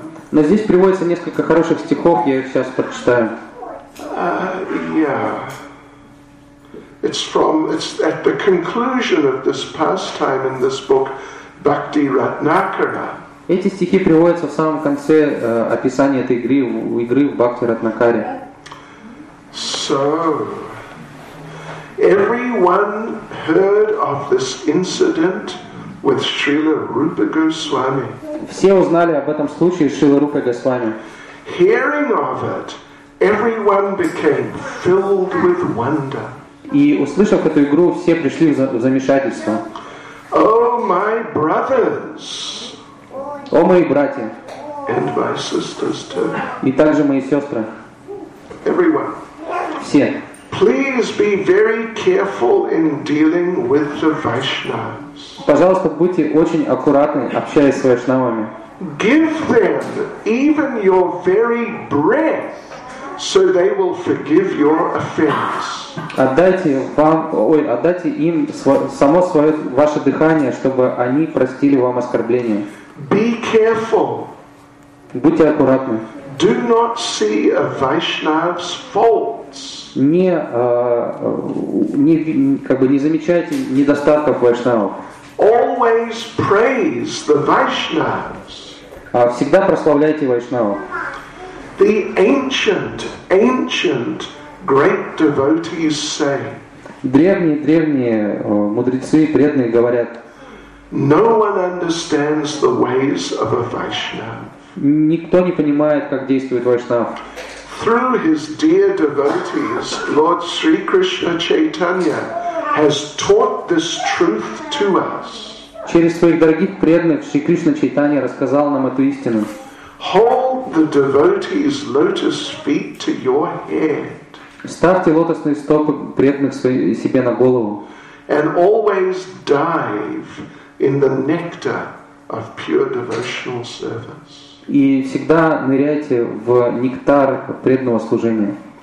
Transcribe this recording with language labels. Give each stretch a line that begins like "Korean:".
Russian: Но здесь приводится несколько хороших стихов, я их сейчас прочитаю.
English: It's at the conclusion of this pastime in this book, Bhakti Ratnakara.
Russian: Эти стихи приводятся в самом конце описания этой игры в Бхакти Ратнакаре.
English: So. Everyone heard of this incident with Srila Rupa Goswami.
Russian: Все узнали об этом случае с Шрилой Рупой Госвами.
English: Hearing of it, everyone became filled with wonder.
Russian: И услышав эту игру, все пришли в замешательство.
English: Oh, my brothers!
Russian: О, мои братья!
English: And my sisters too.
Russian: И также мои сестры.
English: Everyone.
Russian: Все.
English: Please be very careful in dealing with the Vaishnavas.
Russian: Пожалуйста, будьте очень аккуратны, общаясь с вайшнавами.
English: Give them even your very breath, so they will forgive your offense.
Russian: Отдайте им само свое ваше дыхание, чтобы они простили вам оскорбление.
English: Be careful.
Russian: Будьте аккуратны.
English: Do not see a Vaishnav's faults.
Russian: Не замечайте недостатков вайшнавов.
English: Always praise the Vaishnavas.
Russian: Всегда прославляйте вайшнавов.
English: The ancient great devotees say.
Russian: Древние мудрецы преданные говорят.
English: No one understands the ways of a Vaishnav.
Russian: Никто не понимает, как действует вайшнав.
English: Through his dear devotees, Lord Sri Krishna Chaitanya has taught this truth to us.
Russian: Через своих дорогих преданных Шри Кришна Чайтанья рассказал нам эту истину.
English: Hold the devotees' lotus feet to your head.
Russian: Ставьте лотосные стопы преданных себе на голову.
English: And always dive in the nectar of pure devotional service.
Russian: И всегда ныряйте в нектар преданного служения.